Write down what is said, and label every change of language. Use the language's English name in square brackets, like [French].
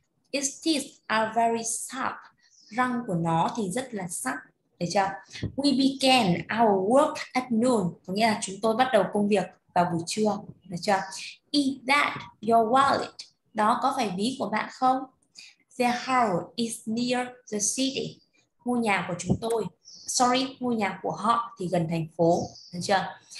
[English] Its teeth are very sharp. [Vietnamese] Răng của nó thì rất là sắc, được chưa? [English] We began our work at noon. [Vietnamese] Có nghĩa là chúng tôi bắt đầu công việc vào buổi trưa, được chưa? [English] Is that your wallet? [Vietnamese] Đó có phải ví của bạn không? [English] The house is near the city. [Vietnamese] ngôi nhà của chúng tôi. Sorry, ngôi nhà của họ thì gần thành phố. Được chưa?